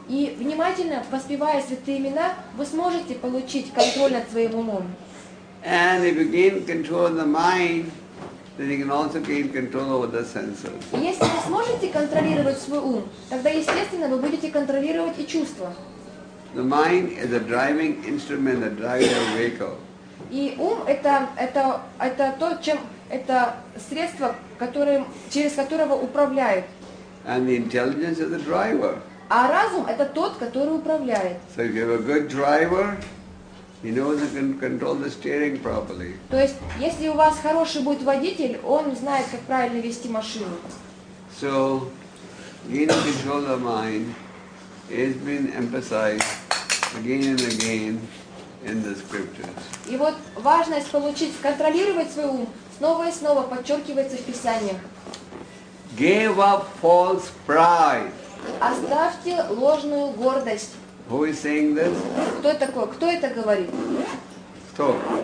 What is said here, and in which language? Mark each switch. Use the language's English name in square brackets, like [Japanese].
[Russian] И внимательно воспевая святые имена, вы сможете получить контроль над своим умом. [English] And if you gain control of the mind, then you can also gain control over the senses. [Russian] Если вы сможете контролировать свой ум, тогда естественно вы будете контролировать и чувства. [English] The mind is a driving instrument that drives your vehicle. [Russian] И ум это то, чем это средство, которое через которого управляет. [English] And the intelligence is the driver. [Russian] А разум это тот, который управляет. [English] So if you have a good driver, he knows he can control the steering properly. [Russian] То есть, если у вас хороший будет водитель, он знает, как правильно вести машину. [English] So, gaining control of mind has been emphasized again and again in the scriptures. [Russian] И вот важность получить, контролировать свой ум, снова и снова подчеркивается в Писаниях. [English] Give up false pride. [Russian] Оставьте ложную гордость. [English] Who is saying this? [Russian] Кто такой? Кто это говорит? Кто?